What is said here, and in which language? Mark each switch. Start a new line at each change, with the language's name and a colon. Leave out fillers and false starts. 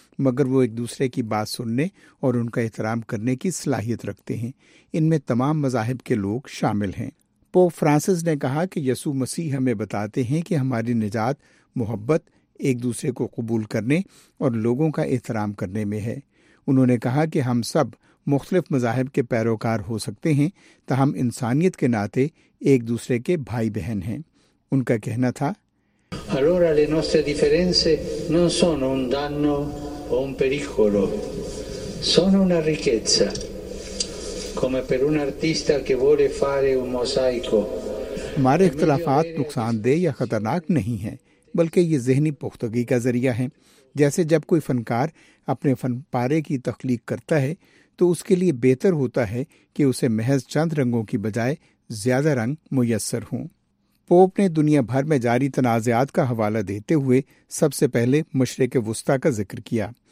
Urdu: مگر وہ ایک دوسرے کی بات سننے اور ان کا احترام کرنے کی صلاحیت رکھتے ہیں، ان میں تمام مذاہب کے لوگ شامل ہیں۔ پوپ فرانسس نے کہا کہ یسوع مسیح ہمیں بتاتے ہیں کہ ہماری نجات محبت، ایک دوسرے کو قبول کرنے اور لوگوں کا احترام کرنے میں ہے۔ انہوں نے کہا کہ ہم سب مختلف مذاہب کے پیروکار ہو سکتے ہیں، تاہم انسانیت کے ناطے ایک دوسرے کے بھائی بہن ہیں۔ ان کا کہنا تھا،
Italian: Allora le nostre differenze non sono un danno o un pericolo, sono una ricchezza. Come per un artista che vuole fare un mosaico.
Urdu: ہمارے اختلافات نقصان دہ یا خطرناک نہیں ہیں، بلکہ یہ ذہنی پختگی کا ذریعہ ہیں۔ جیسے جب کوئی فنکار اپنے فن پارے کی تخلیق کرتا ہے تو اس کے لیے بہتر ہوتا ہے کہ اسے محض چند رنگوں کی بجائے زیادہ رنگ میسر ہوں۔ پوپ نے دنیا بھر میں جاری تنازعات کا حوالہ دیتے ہوئے سب سے پہلے مشرق وسطی کا ذکر کیا۔